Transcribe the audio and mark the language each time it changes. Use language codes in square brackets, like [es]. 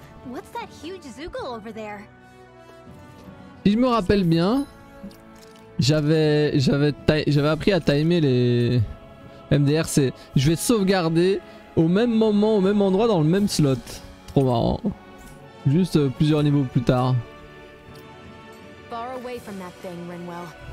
[en] What's that huge zoogle over there? [fr] Si je me rappelle bien, j'avais appris à timer les MDR. C'est, je vais sauvegarder au même moment, au même endroit, dans le même slot. Trop marrant. Juste plusieurs niveaux plus tard. [en] Far away from that thing, Renwell.